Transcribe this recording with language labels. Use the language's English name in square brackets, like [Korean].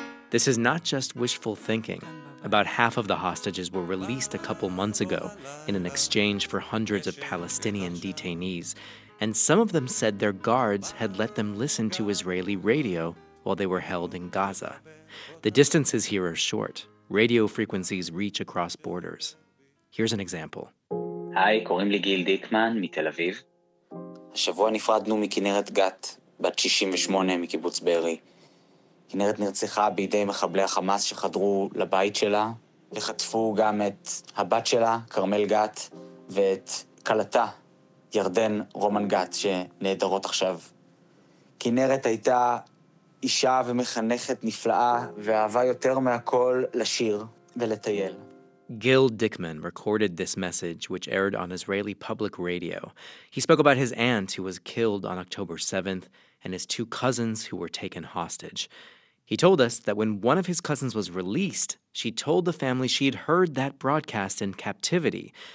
[English] This is not just wishful thinking. About half of the hostages were released a couple months ago in an exchange for hundreds of Palestinian detainees, and some of them said their guards had let them listen to Israeli radio while they were held in Gaza. The distances here are short. Radio frequencies reach across borders. Here's an example. [Hebrew] Hi, קוראים לי גיל דיקמן מתל אביב. השבוע נפרדנו מכנרת גת, בת 68 מקיבוץ ברי. כנרת נרצחה בידי מחבלי החמאס שחדרו לבית שלה וחטפו גם את הבת שלה, כרמל גת, ואת קלטה, ירדן רומן גת, שנעדרות עכשיו כנרת הייתה אישה ומחנכת נפלאה ואהבה יותר מהכל לשיר ולטייל. [English] Gil Dickman recorded this message, which aired on Israeli public radio. He spoke about his aunt, who was killed on October 7th, and his two cousins who were taken hostage. He told us that when one of his cousins was released, she told the family she'd heard that broadcast in captivity.